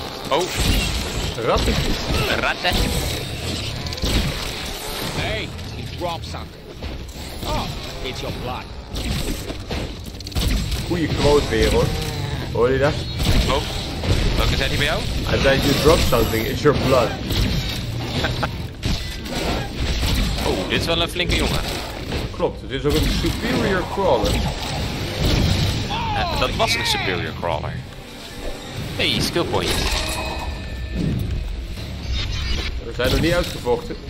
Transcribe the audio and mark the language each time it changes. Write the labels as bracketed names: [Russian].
[Dutch] Oh. Ratten. Ratten. [English] Hey, he dropped something. Oh, it's your blood. [Dutch] Goeie quote weer hoor. Hoor je dat? Oh, welke zijn die bij jou? [English] I said you dropped something, it's your blood. [Dutch] Oh, dit is wel een flinke jongen. Klopt, dit is ook een superior crawler. Dat was een superior crawler. [English] Hey, skill point. [Dutch] We zijn nog niet uitgevochten.